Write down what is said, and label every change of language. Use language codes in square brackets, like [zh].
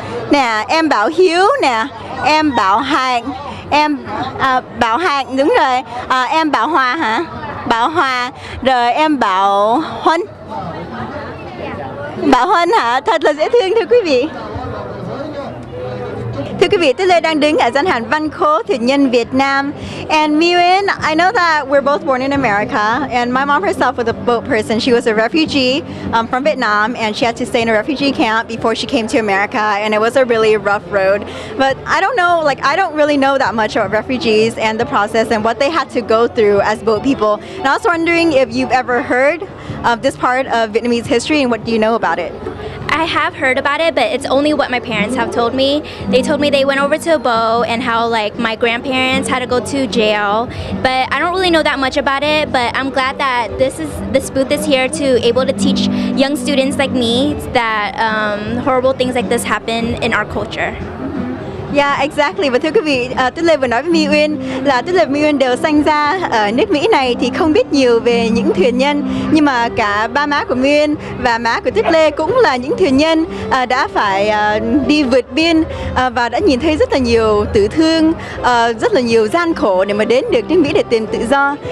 [vi] Nè, em Bảo Hiếu nè, em Bảo Hạnh, em Bảo Hạnh, đúng rồi, em Bảo Hòa hả? Bảo Hòa, rồi em Bảo Huân. Bảo Huân hả? Thật là dễ thương thưa quý vị. Thưa quý vị, Tuyết Lê đang đứng ở gian hàng Văn Khố Thiện Nhân Việt Nam. [en] And Miuyen, I know that we're both born in America, and my mom herself was a boat person. She was a refugee from Vietnam, and she had to stay in a refugee camp before she came to America, and it was a really rough road. But I don't know, like, I don't really know that much about refugees and the process and what they had to go through as boat people. And I was wondering if you've ever heard of this part of Vietnamese history, and what do you know about it? I have heard about it, but it's only what my parents have told me. They told me they went over to Bo and how like my grandparents had to go to jail. But I don't really know that much about it, but I'm glad that this booth is here to able to teach young students like me that horrible things like this happen in our culture. Yeah, exactly. [vi] Và thưa quý vị, tôi Lê vừa nói với Mỹ Uyên là tôi Lê và Mỹ Uyên đều sinh ra ở nước Mỹ này thì không biết nhiều về những thuyền nhân. Nhưng mà cả ba má của Mỹ Uyên và má của Tức Lê cũng là những thuyền nhân đã phải đi vượt biên và đã nhìn thấy rất là nhiều tử thương, rất là nhiều gian khổ để mà đến được nước Mỹ để tìm tự do.